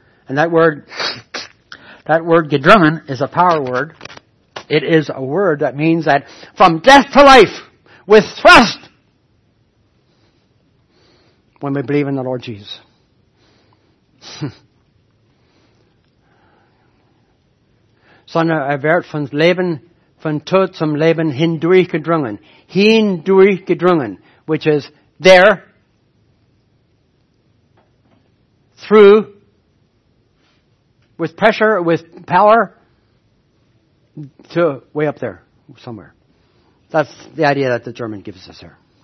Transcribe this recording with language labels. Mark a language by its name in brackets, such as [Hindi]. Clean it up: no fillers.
[English] And that word gedrungen is a power word. It is a word that means that from death to life with thrust when we believe in the Lord Jesus. [German] Sondern er wird von Leben, von Tod zum Leben hindurchgedrungen. [English] Hindurchgedrungen, which is there, through, with pressure, with power, to way up there, somewhere. That's the idea that the German gives us here.